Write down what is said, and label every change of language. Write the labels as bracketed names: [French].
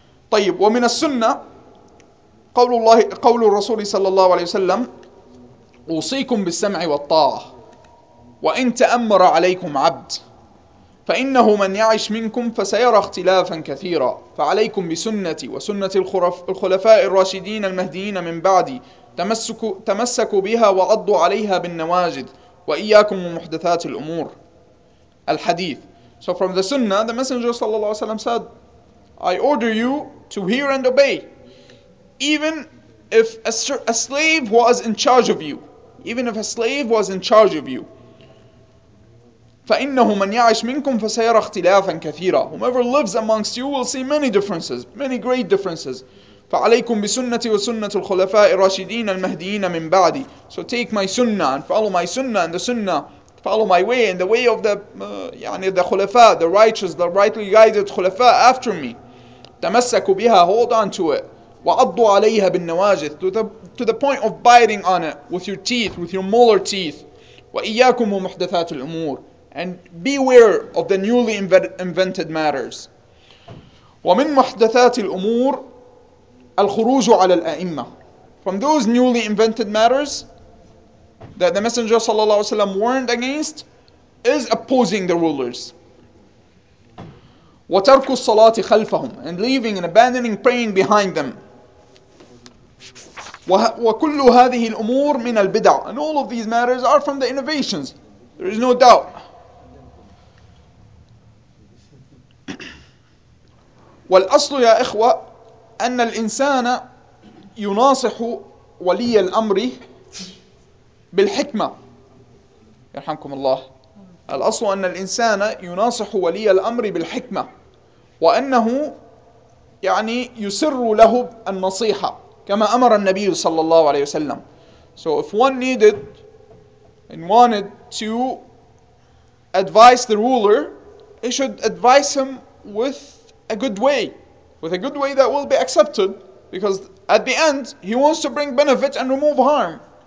[Arabic] طيب, ومن السنة قول الرسول صلى الله عليه وسلم أوصيكم بالسمع والطاعة وإن تأمر عليكم عبد فإنه من يعش منكم فسيرى اختلافا كثيرا فعليكم بسنتي وسنة الخلفاء الراشدين المهديين من بعدي تمسكوا بها وعضوا عليها بالنواجد وإياكم ومحدثات الأمور. الحديث. [English] So from the Sunnah, the Messenger [Arabic] صلى الله عليه وسلم [English] said, I order you to hear and obey. Even if a slave was in charge of you. Even if a slave was in charge of you. [Arabic] فَإِنَّهُ مَنْ يَعِشْ مِنْكُمْ فَسَيَرَ اخْتِلَافًا كَثِيرًا. [English] Whomever lives amongst you will see many differences, many great differences. [Arabic] فَعَلَيْكُمْ بِسُنَّةِ وَسُنَّةُ الْخُلَفَاءِ الرَّاشِدِينَ الْمَهْدِيِينَ مِنْ بَعْدِي. [English] So take my sunnah and follow my sunnah and the sunnah. Follow my way and the way of the khulafa, the righteous, the rightly guided khulafa after me. [Arabic] تَمَسَّكُوا بِهَا, [English] hold on to it. [Arabic] وَعَضُّوا عَلَيْهَا بِالنَّوَاجِثِ, [English] to the point of biting on it with your teeth, with your molar teeth. [Arabic] وَإِيَّاكُمْ وَمُحْدَثَاتُ الْأُمُورِ. [English] And beware of the newly invented matters. [Arabic] ومن محدثات الأمور الخروج على الأئمة. [English] From those newly invented matters that the Messenger [Arabic] صلى الله عليه وسلم [English] warned against is opposing the rulers. [Arabic] وترك الصلاة خلفهم, [English] and leaving and abandoning praying behind them. [Arabic] وكل هذه الأمور من البدع. [English] And all of these matters are from the innovations. There is no doubt. [Arabic] والأصل يا إخوة أن الإنسان يناصح ولي الأمر بالحكمة يرحمكم الله. الأصل أن الإنسان يناصح ولي الأمر بالحكمة وأنه يعني يسر له النصيحة كما أمر النبي صلى الله عليه وسلم. [English] So if one needed and wanted to advise the ruler, he should advise him with a good way. With a good way that will be accepted, because at the end, he wants to bring benefit and remove harm.